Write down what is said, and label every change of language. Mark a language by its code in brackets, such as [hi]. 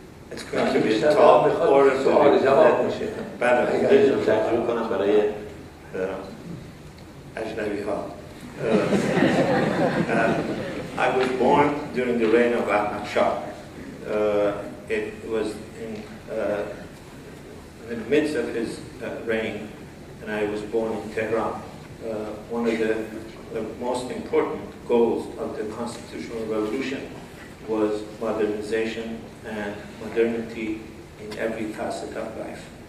[en] It's going to be a talk or a [fa] سوال جواب باشه. بله، اگر شروع کنم برای اجنبی ها. [en] I was born during the reign of Ahmad Shah. It was in the midst of his reign, and I was born in Tehran. One of the most important goals of the constitutional revolution was modernization and modernity in every facet of life.